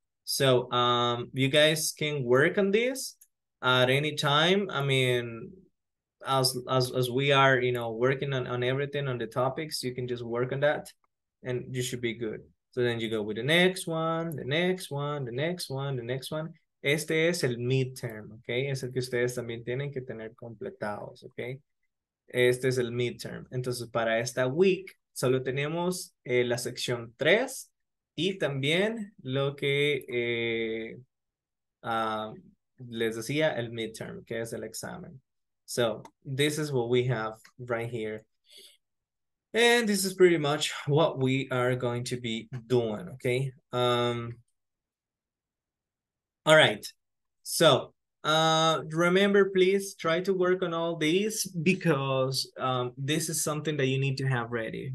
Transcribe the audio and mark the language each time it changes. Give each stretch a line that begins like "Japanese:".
English: So you guys can work on this at any time. I mean, as we are, you know, working on everything, on the topics, you can just work on that and you should be good. So then you go with the next one, the next one, the next one, the next one.
Spanish: Este es el midterm, okay? Es el que ustedes también tienen que tener completados, okay? Este es el midterm. Entonces, para esta week, solo tenemos la sección 3 y también lo que les decía, el midterm, que es el examen.
English: So, this is what we have right here. And this is pretty much what we are going to be doing, okay? All right. So, remember, please try to work on all these because this is something that you need to have ready.